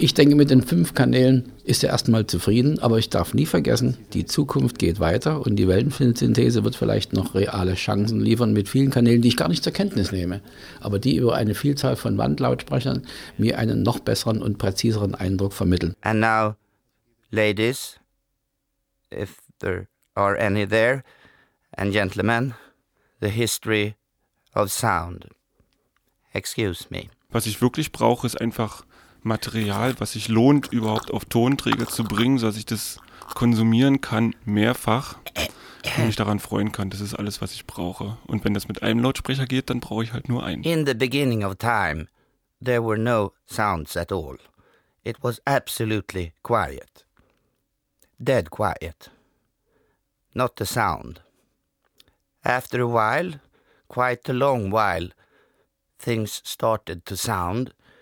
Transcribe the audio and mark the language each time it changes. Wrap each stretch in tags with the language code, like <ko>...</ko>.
<de>Ich denke, mit den 5 Kanälen ist er erstmal zufrieden, aber ich darf nie vergessen, die Zukunft geht weiter und die Wellenfilmsynthese wird vielleicht noch reale Chancen liefern mit vielen Kanälen, die ich gar nicht zur Kenntnis nehme, aber die über eine Vielzahl von Wandlautsprechern mir einen noch besseren und präziseren Eindruck vermitteln.</de> <en>And now, ladies, if there are any there, and gentlemen, the history of sound. Excuse me.</en> <de>Was ich wirklich brauche, ist einfach Material, was sich lohnt, überhaupt auf Tonträger zu bringen, sodass ich das konsumieren kann, mehrfach, und mich daran freuen kann. Das ist alles, was ich brauche. Und wenn das mit einem Lautsprecher geht, dann brauche ich halt nur einen.</de> <en>In the beginning of time, there were no sounds at all. It was absolutely quiet. Dead quiet. Not the sound. After a while, quite a long while, things started to sound.</en>